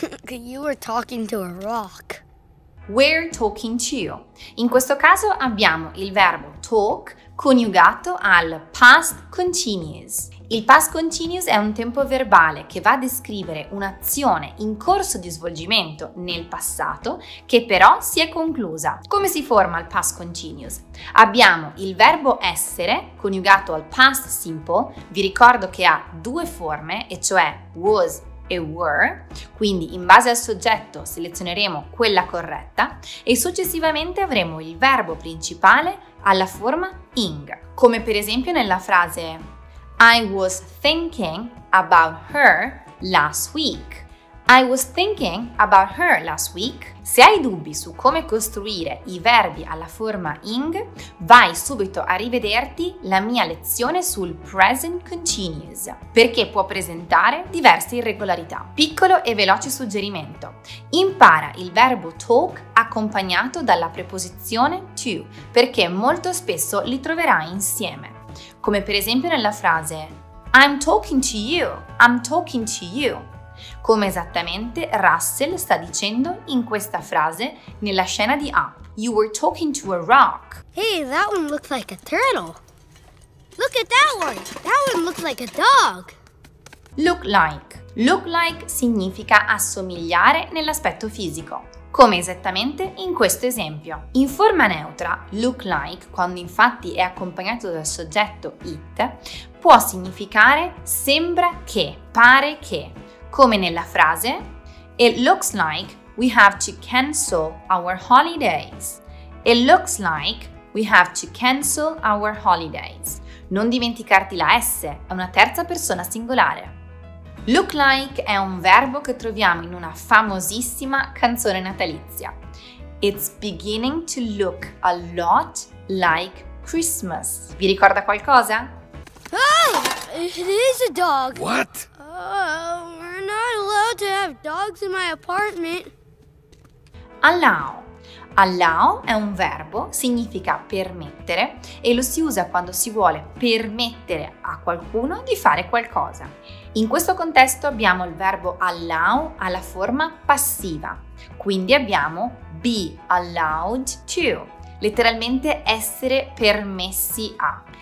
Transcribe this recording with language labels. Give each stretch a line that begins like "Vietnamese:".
English: You were talking to a rock. We're talking to you.
Italian: In questo caso abbiamo il verbo talk coniugato al past continuous. Il past continuous è un tempo verbale che va a descrivere un'azione in corso di svolgimento nel passato che però si è conclusa. Come si forma il past continuous? Abbiamo il verbo essere coniugato al past simple. Vi ricordo che ha 2 forme, e cioè was e were, quindi in base al soggetto selezioneremo quella corretta, e successivamente avremo il verbo principale alla forma ing, come per esempio nella frase
English: I was thinking about her last week. I was thinking about her last week.
Italian: Se hai dubbi su come costruire i verbi alla forma ing, vai subito a rivederti la mia lezione sul present continuous, perché può presentare diverse irregolarità. Piccolo e veloce suggerimento. Impara il verbo talk accompagnato dalla preposizione to, perché molto spesso li troverai insieme. Come per esempio nella frase
English: I'm talking to you, I'm talking to you.
Italian: Come esattamente Russell sta dicendo in questa frase nella scena di Up.
English: You were talking to a rock. Hey, that one looks like a turtle. Look at that one. That one looks like a dog. Look like.
Italian: Look like significa assomigliare nell'aspetto fisico. Come esattamente in questo esempio. In forma neutra, look like, quando infatti è accompagnato dal soggetto it, può significare sembra che, pare che. Come nella frase
English: It looks like we have to cancel our holidays. It looks like we have to cancel our holidays.
Italian: Non dimenticarti la S, è una terza persona singolare. Look like è un verbo che troviamo in una famosissima canzone natalizia.
English: It's beginning to look a lot like Christmas.
Italian: Vi ricorda qualcosa?
English: Oh, it is a dog. What? We're not allowed to have dogs in my apartment. Allow.
Italian: Allow è un verbo, significa permettere, e lo si usa quando si vuole permettere a qualcuno di fare qualcosa. In questo contesto abbiamo il verbo allow alla forma passiva. Quindi abbiamo be allowed to, letteralmente essere permessi a.